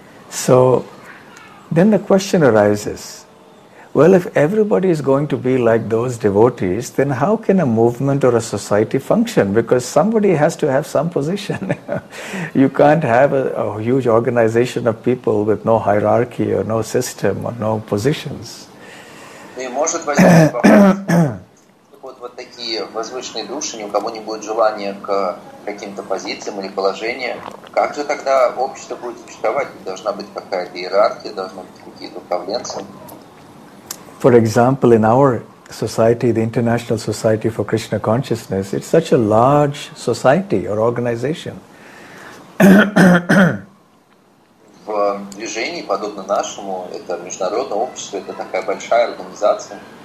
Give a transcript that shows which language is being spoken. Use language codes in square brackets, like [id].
[en] So, then the question arises, well, if everybody is going to be like those devotees, then how can a movement or a society function? Because somebody has to have some position. You can't have a huge organization of people with no hierarchy or no system or no positions. [ru] И может возникнуть вопрос, вот такие возвышенные души, ни у кого не будет желания к каким-то позициям или положениям, как же тогда общество будет существовать? Должна быть какая-то иерархия, должны быть какие-то управленцы. [en] For example, in our society, the International Society for Krishna Consciousness, it's such a large society or organization. [ru] В движении, подобно нашему, это международное общество, это такая большая организация.